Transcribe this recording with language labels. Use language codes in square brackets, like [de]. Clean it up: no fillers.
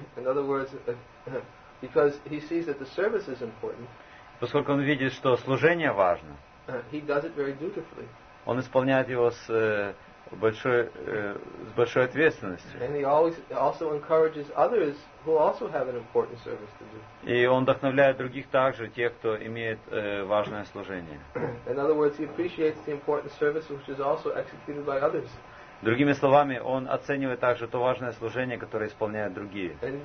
[en] In other words, because he sees that the service is important. [ru] Поскольку он видит, что служение важно. [en] He does it very dutifully. [ru] Он исполняет его с большой ответственностью. [en] And he always also encourages others who also have an important service to do. [ru] И он вдохновляет других также, тех, кто имеет важное служение. [en] In other words, he appreciates the important service which is also executed by others. [ru] Другими словами, он оценивает также то важное служение, которое исполняют другие.